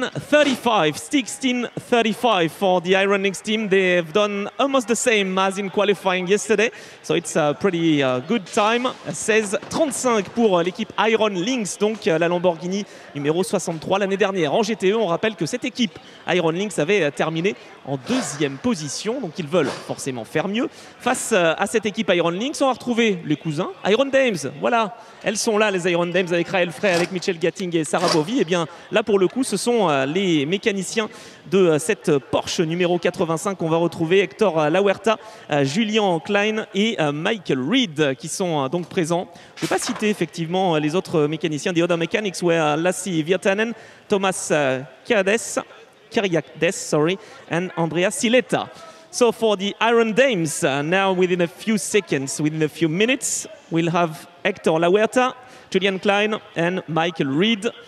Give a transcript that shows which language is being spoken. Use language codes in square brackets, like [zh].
[en] 16.35 for the Iron Lynx team. They've done almost the same as in qualifying yesterday. So it's a pretty good time. [fr] 16.35 pour l'équipe Iron Lynx, donc la Lamborghini numéro 63 l'année dernière. En GTE, on rappelle que cette équipe Iron Lynx avait terminé en deuxième position. Donc ils veulent forcément faire mieux. Face à cette équipe Iron Lynx, on va retrouver les cousins Iron Dames. Voilà, elles sont là, les Iron Dames, avec Raël Frey, avec Michel Gatting et Sarah Bovy. Et bien là, pour le coup, ce sont les mécaniciens de cette Porsche numéro 85 qu'on va retrouver, Hector Lauerta, Julien Klein et Michael Reed, qui sont donc présents. Je ne vais pas citer effectivement les autres mécaniciens. [en] The other mechanics were Lassie Virtanen, Thomas Kyriakdes, sorry, and Andrea Siletta. So for the Iron Dames, now within a few seconds, within a few minutes, we'll have Hector Lauerta, Julien Klein and Michael Reed.